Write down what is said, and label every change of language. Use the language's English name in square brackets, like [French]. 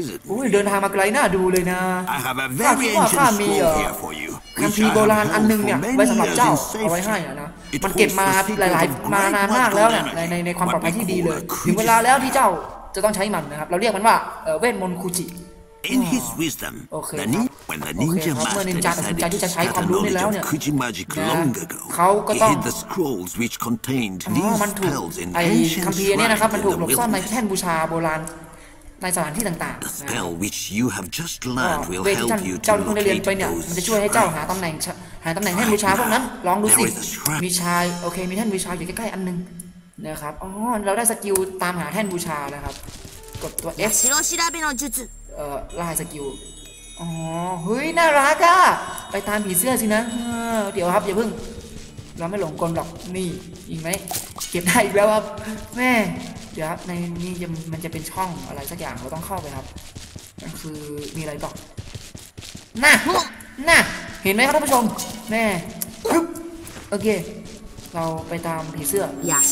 [Thai] อุ้ยเดินทางมาไกลน่าดูเลยนะข้ามีคัมภีร์โบราณอันนึงเนี่ยไว้สำหรับเจ้าเอาไว้ให้อ่ะนะมันเก็บมาหลายๆมานานมากแล้วเนี่ยในความปลอดภัยที่ดีเลยถึงเวลาแล้วที่เจ้าจะต้องใช้มันนะครับเราเรียกมันว่าเวทมนต์คุจิ [English] In his wisdom, the ninja master decided to use the knowledge of Kuji magic long ago. He hid the scrolls which contained these spells in ancient shrines in the wilderness. [Thai] ในสถานที่ต่างๆนะ [English] The spell which you have just learned will help you to locate those shrines. [Thai] มัน จะช่วยให้เจ้าหาตำแหน่งให้บูชาพวกนั้นลองดูสิมีชายโอเคมีแท่นบูชาอยู่ใกล้ๆอันนึงนะครับอ๋อเราได้สกิลตามหาแท่นบูชานะครับกดตัว F ชิโรชิราเบโนจุตุ ลายสกิลอ๋อเฮ้ยน่ารักอ่ะไปตามผีเสื้อสินะเดี๋ยวครับอย่าเพิ่งเราไม่หลงกลหรอกนี่ยิงไหมเก็บได้อีกแล้วครับแม่เดี๋ยวครับในนี้มันจะเป็นช่องอะไรสักอย่างเราต้องเข้าไปครับก็คือมีอะไรบอกน่ะเห็นไหมครับท่านผู้ชมแม่โอเคเราไปตามผีเสื้อพ